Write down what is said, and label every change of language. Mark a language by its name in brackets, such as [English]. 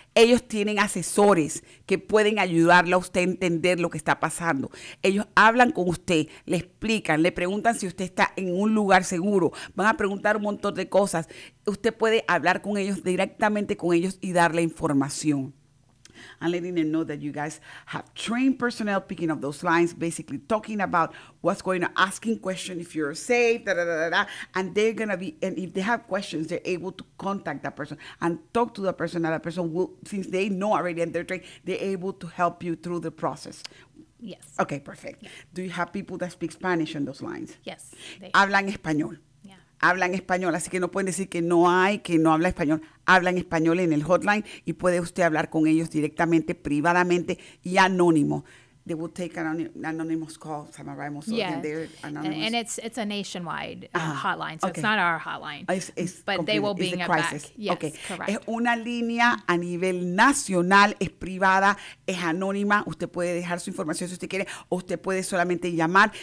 [Spanish] Ellos tienen asesores que pueden ayudarle a usted a entender lo que está pasando. Ellos hablan con usted, le explican, le preguntan si usted está en un lugar seguro. Van a preguntar un montón de cosas. Usted puede hablar con ellos directamente con ellos y darle información. [English] I'm letting them know that you guys have trained personnel picking up those lines, basically talking about what's going on, asking questions if you're safe, da, da, da, da, da. And they're going to be, and if they have questions, they're able to contact that person and talk to that person. And that person will, since they know already and they're trained, they're able to help you through the process. Yes. Okay, perfect. Yeah. Do you have people that speak Spanish on those lines? Yes. [Spanish] Hablan español. Hablan español, así que no pueden decir que no hay, que no habla español. Hablan español en el hotline y puede usted hablar con ellos directamente, privadamente y anónimo. [English] They will take anonymous calls. Am I right? Most yeah. And they're anonymous. And it's a nationwide hotline, so okay. It's not our hotline. It's but complete. They will bring it back. Yes, okay. Correct. [Spanish] Es una línea a nivel nacional, es privada, es anónima. Usted puede dejar su información si usted quiere, o usted puede solamente llamar.